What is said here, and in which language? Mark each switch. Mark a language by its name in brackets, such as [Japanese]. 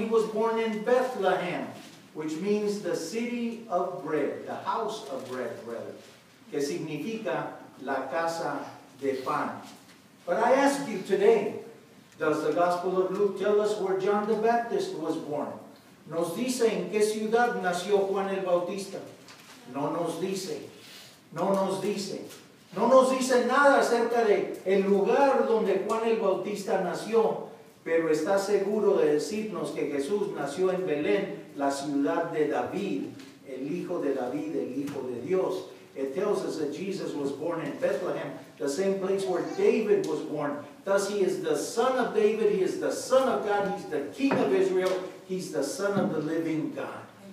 [English] He was born in Bethlehem, which means the city of bread, the house of bread, rather, que significa la casa de pan. But I ask you today, does the Gospel of Luke tell us where John the Baptist was born? [Spanish] ¿Nos dice en qué ciudad nació Juan el Bautista? No nos dice. No nos dice. No nos dice nada acerca de el lugar donde Juan el Bautista nació. Pero está seguro de decirnos que Jesús nació en Belén, la ciudad de David, el hijo de David, el hijo de Dios. [English] It tells us that Jesus was born in Bethlehem, the same place where David was born. Thus he is the son of David, he is the son of God, he's the king of Israel, he's the son of the living God.